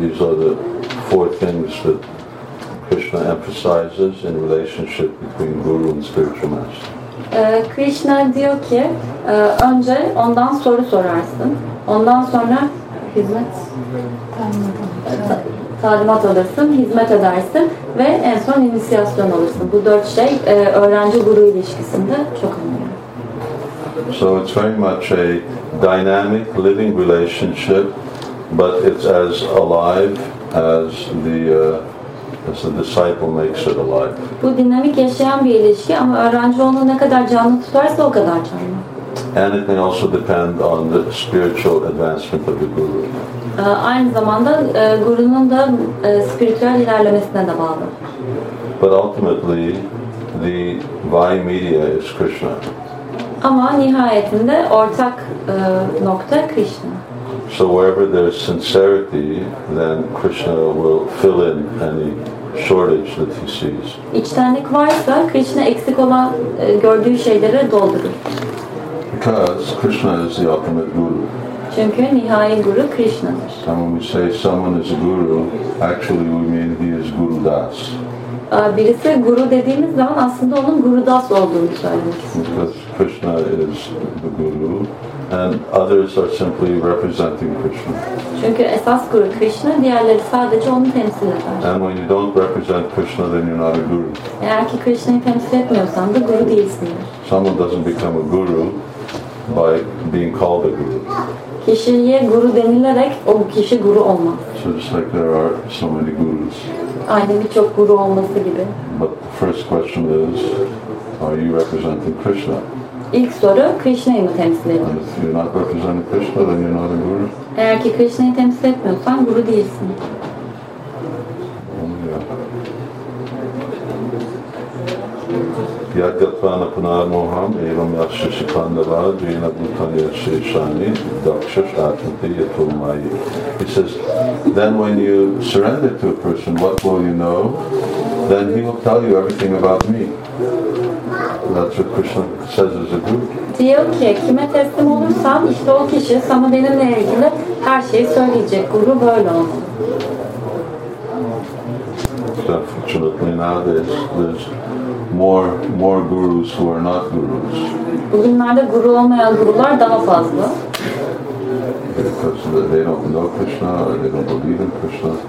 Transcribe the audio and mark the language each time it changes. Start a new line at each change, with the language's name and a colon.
English: These are the four things that Krishna emphasizes in relationship between Guru and spiritual master.
Turkish: Krishna diyor ki, önce ondan soru sorarsın. Ondan sonra hizmet, talimat alırsın, hizmet edersin ve en son inisiyasyon alırsın. Bu dört şey öğrenci-guru ilişkisinde çok önemli.
English: So it's very much a dynamic living relationship, but it's as alive as the disciple makes it alive.
Turkish: Bu dinamik yaşayan bir ilişki ama öğrenci onu ne kadar canlı tutarsa o kadar canlı.
English: And it may also depend on the spiritual advancement of the guru.
Turkish: Aynı zamanda gurunun da spiritüel ilerlemesine de bağlı.
English: But ultimately, the vai media is Krishna.
Turkish: Ama nihayetinde ortak nokta Krishna.
English: So wherever there's sincerity, then Krishna will fill in any shortage that he sees.
Turkish: İçtenlik varsa Krishna eksik olan gördüğü şeyleri doldurur.
English: Because Krishna is the ultimate guru.
Turkish: Çünkü nihai guru Krishna'dır.
English: And when we say someone is a guru, actually we mean he is Guru Das.
Turkish: Birisi guru dediğimiz zaman aslında onun Guru Das olduğunu söylemek istiyor.
English: Because Krishna is the guru, and others are simply representing Krishna.
Turkish: Çünkü esas guru Krishna, diğerleri sadece onu temsil eder.
English: And when you don't represent Krishna, then you're not a guru.
Turkish: Eğer ki Krishna'yı temsil etmiyorsan da guru değilsin.
English: Someone doesn't become a guru by being called a guru.
Turkish: Kişiye guru denilerek o kişi guru olmaz.
English: So just like there are so many gurus.
Turkish: Aynı birçok guru olması gibi.
English: But the first question is, are you representing Krishna?
Turkish: İlk soru, Krishna'yı mı temsil ediyorsun?
English: If you're not representing Krishna, then you're not a guru.
Turkish: Eğer ki Krishna'yı temsil etmiyorsan guru değilsin.
Sanskrit: Yagyatvana Punar Moham, Evam Yakshya Sipandava, Jena Bhutani Yakshya Shani, Daksha Shatanti Yatulmayi.
English: He says, then when you surrender to a person, what will you know? Then he will tell you everything about me. That's what Krishna says as a guru.
Turkish: Diyor ki, kime teslim olursam, işte o kişi sana benimle ilgili her şeyi söyleyecek. Guru böyle olsun.
English: So unfortunately now there's more gurus who are not gurus.
Turkish: Bugünlerde guru olmayan gurular daha fazla.
English: Because they don't know Krishna, or they don't believe in Krishna.